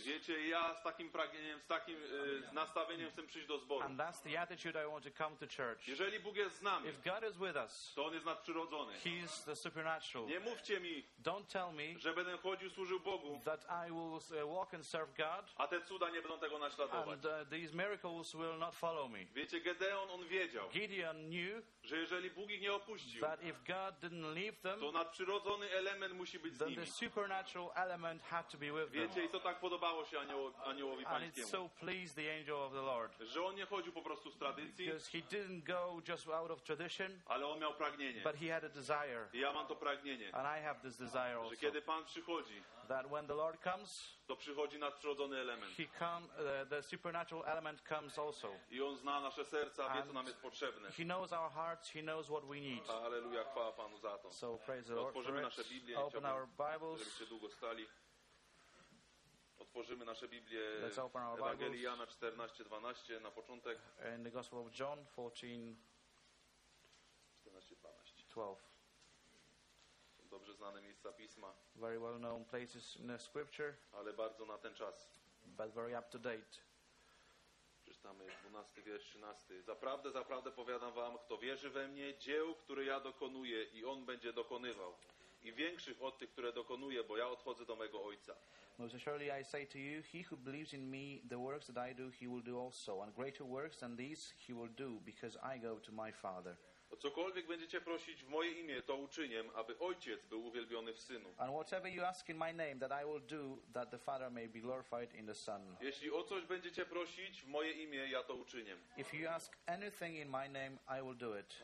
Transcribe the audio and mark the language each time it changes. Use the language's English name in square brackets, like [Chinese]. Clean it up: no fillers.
[Polish] Wiecie, ja z takim pragnieniem, z takim nastawieniem chcę przyjść do zboru. [English] And that's the attitude I want to come to church. [Polish] Jeżeli Bóg jest z nami, [English] if God is with us, [Polish] to On jest nadprzyrodzony. [English] He is the supernatural. [Polish] Nie mówcie mi, [English] don't tell me, [Polish] że będę chodził, służył Bogu, [English] that I will walk and serve God, [Polish] a te cuda nie będą tego naśladować. [English] And these miracles will not follow me. [Polish] Wiecie, Gedeon, on wiedział, [English] Gideon knew, [Polish] że jeżeli Bóg ich nie opuścił, [English] that if God leave them, [Polish] to nadprzyrodzony element musi być z nimi. [English] The supernatural element had to be with them. [Polish] Wiecie, i to tak podobało się aniołowi pańskiemu. [English] And it so pleased the angel of the Lord. [Polish] Że on nie chodził po prostu z tradycji. [English] Because he didn't go just out of tradition. [Polish] Ale on miał pragnienie. [English] But he had a desire. [Polish] I ja mam to pragnienie. [English] And I have this desire also. [Polish] Że kiedy Pan przychodzi, [English] that when the Lord comes, [Polish] to przychodzi nadprzyrodzony element. [English] He come, the supernatural element comes also. [Polish] I on zna nasze serca, wie, co nam jest potrzebne. [English] He knows our hearts, he knows what we need. [Polish] Alleluja, chwała Panu. [English] So praise the Lord. [Polish] Otworzymy nasze Biblię. [English] Open our Bibles. [Polish] Żebyście długo stali. Otworzymy nasze Biblię. Ewangelii Jana 14:12 na początek. [English] In the Gospel of John 14:12. [Polish] Dobrze znane miejsca Pisma. [English] Very well known places in the Scripture. [Polish] Ale bardzo na ten czas. [English] But very up to date. [Polish] Czytam. mamy 12 wiersz 13. Zaprawdę, zaprawdę powiadam wam, kto wierzy we mnie, dzieł, które ja dokonuję, i on będzie dokonywał. I większych od tych, które dokonuję, bo ja odchodzę do mego Ojca. [English] Most assuredly I say to you, he who believes in me, the works that I do, he will do also. And greater works than these he will do, because I go to my Father. [Polish] O cokolwiek będziecie prosić w moje imię, to uczynię, aby Ojciec był uwielbiony w Synu. [English] And whatever you ask in my name, that I will do, that the Father may be glorified in the Son. [Polish] Jeśli o coś będziecie prosić w moje imię, ja to uczynię. [English] If you ask anything in my name, I will do it.